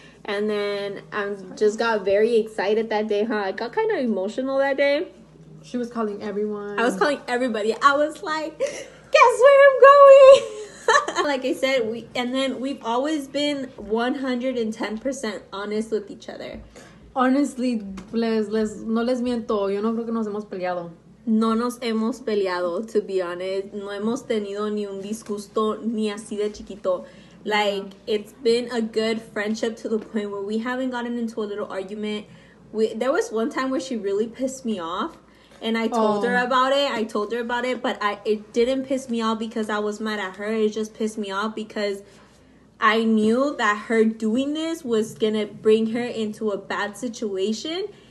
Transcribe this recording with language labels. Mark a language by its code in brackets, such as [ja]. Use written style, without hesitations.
[en] And then I just got very excited that day, huh? I got kind of emotional that day. She was calling everyone. I was calling everybody. I was like, guess where I'm going? Like I said, we've always been 110% honest with each other. Honestly, [es] les no les miento. Yo no creo que nos hemos peleado. No nos hemos peleado, [en] to be honest. [es] No hemos tenido ni un disgusto ni así de chiquito. [en] Like, it's been a good friendship to the point where we haven't gotten into a little argument. There was one time where she really pissed me off. And I told her about it. I told her about it. But it didn't piss me off because I was mad at her. It just pissed me off because I knew that her doing this was going to bring her into a bad situation.